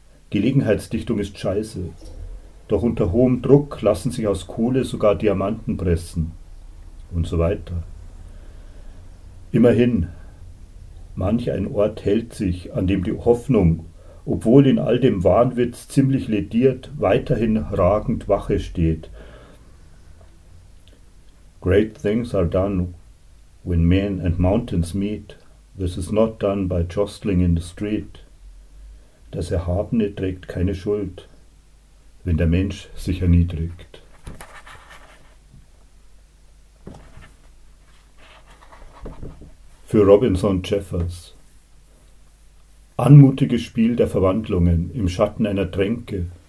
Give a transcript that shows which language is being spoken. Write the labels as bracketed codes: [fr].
[de] Gelegenheitsdichtung ist scheiße, doch unter hohem Druck lassen sich aus Kohle sogar Diamanten pressen. Und so weiter. Immerhin, manch ein Ort hält sich, an dem die Hoffnung, obwohl in all dem Wahnwitz ziemlich lediert, weiterhin ragend Wache steht. [en] Great things are done when men and mountains meet. This is not done by jostling in the street. [de] Das Erhabene trägt keine Schuld, wenn der Mensch sich erniedrigt. Für Robinson Jeffers. Anmutiges Spiel der Verwandlungen im Schatten einer Tränke.